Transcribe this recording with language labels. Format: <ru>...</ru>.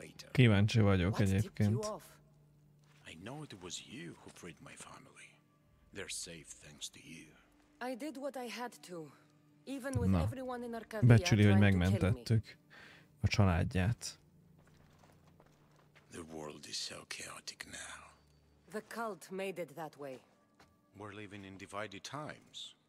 <hu>Kíváncsi vagyok egyébként.</hu> <en>I know it was you who freed my family. They're safe thanks to you. I did what I had to, even with everyone in Arcadia.</en> <hu>Becsüli, hogy megmentettük a családját.</hu> <en>The world is so chaotic now. The cult made it that way. We're living in divided times.</en>